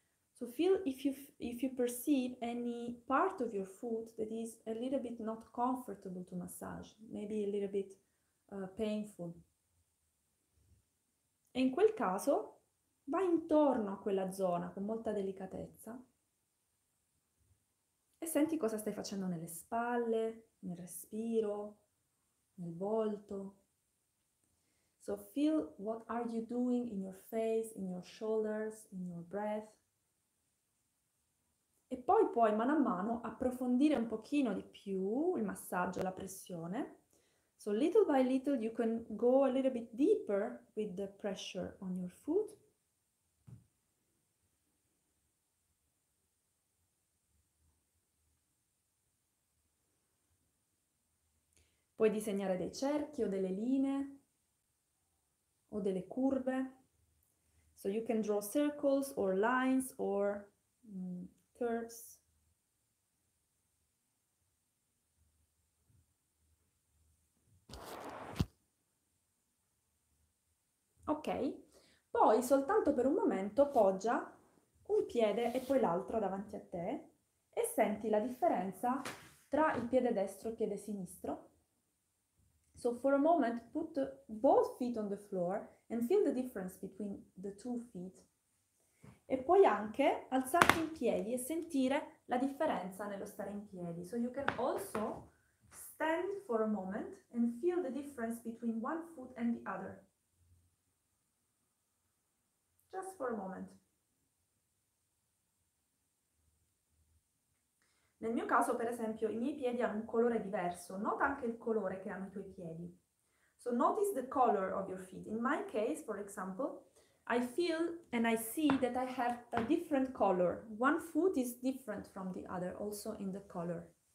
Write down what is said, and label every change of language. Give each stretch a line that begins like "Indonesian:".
English: So feel if you perceive any part of your foot that is a little bit not comfortable to massage, maybe a little bit painful.
Italian: E in quel caso vai intorno a quella zona con molta delicatezza e senti cosa stai facendo nelle spalle, nel respiro, nel volto.
English: So feel what are you doing in your face, in your shoulders, in your breath.
Italian: E poi puoi mano a mano approfondire un pochino di più il massaggio, la pressione.
English: So little by little you can go a little bit deeper with the pressure on your foot.
Italian: Puoi disegnare dei cerchi o delle linee o delle curve.
English: So you can draw circles or lines or curves.
Italian: Ok, poi soltanto per un momento poggia un piede e poi l'altro davanti a te e senti la differenza tra il piede destro e il piede sinistro.
English: So for a moment put both feet on the floor and feel the difference between the two feet.
Italian: E puoi anche alzarti in piedi e sentire la differenza nello stare in piedi.
English: So you can also stand for a moment and feel the difference between one foot and the other. Just for a moment.
Italian: Nel mio caso, per esempio, i miei piedi hanno un colore diverso. Nota anche il colore che hanno i tuoi piedi.
English: So notice the color of your feet. In my case, for example, I feel and I see that I have a different color. One foot is different from the other, also in the color.